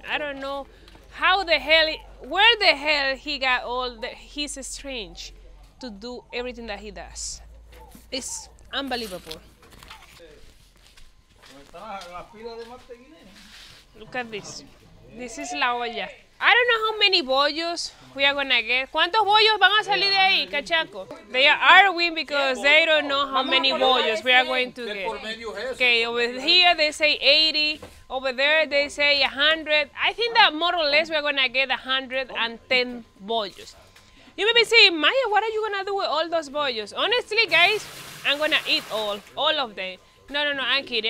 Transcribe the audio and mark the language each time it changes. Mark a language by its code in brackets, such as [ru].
[en] I don't know how the hell, where the hell he got all the, his strength to do everything that he does. It's unbelievable. Look at this. This is la olla. I don't know how many bollos we are gonna get. [es] ¿Cuántos bollos van a salir de ahí, cachaco? [en] They are arguing because they don't know how many bollos we are going to get. Okay, over here they say 80. Over there they say 100. I think that more or less we are gonna get 110 bollos. You may be saying, Maya, what are you gonna do with all those bollos? Honestly, guys, I'm gonna eat all of them. No, no, no, I'm kidding.